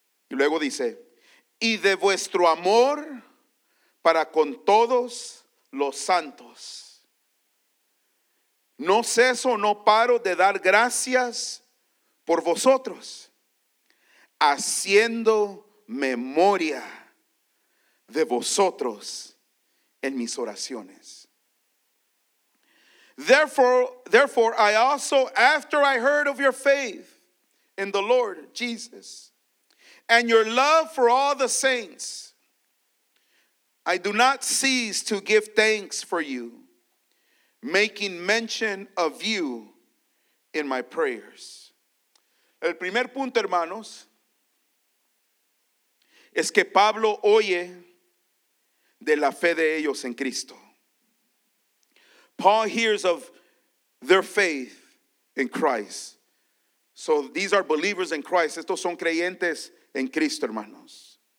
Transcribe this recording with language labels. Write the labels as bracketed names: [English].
[Spanish] Y luego dice, y de vuestro amor para con todos los santos. No ceso, no paro de dar gracias por vosotros, haciendo memoria de vosotros en mis oraciones. [English] Therefore, I also, after I heard of your faith in the Lord Jesus, and your love for all the saints, I do not cease to give thanks for you, making mention of you in my prayers. [Spanish] El primer punto, hermanos, es que Pablo oye de la fe de ellos en Cristo. [English] Paul hears of their faith in Christ. So these are believers in Christ. [Spanish] Estos son creyentes en Cristo, hermanos.